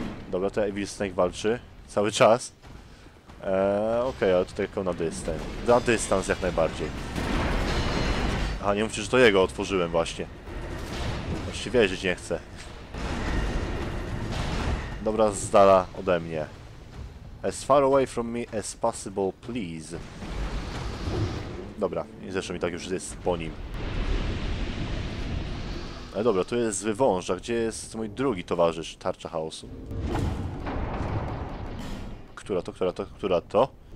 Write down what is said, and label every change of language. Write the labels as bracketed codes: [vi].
[pl] Dobra, to Evil Snake walczy. Cały czas. Okej, okay, ale tutaj tylko na dystans. Na dystans jak najbardziej. A nie mówcie, że to jego otworzyłem właśnie. Właściwie wierzyć nie chcę. Dobra, z dala ode mnie. [en] As far away from me as possible, please. [pl] Dobra, zresztą mi tak już jest po nim. Ale dobra, tu jest zły wąż, a gdzie jest mój drugi towarzysz, tarcza chaosu? Która to, która to, która to?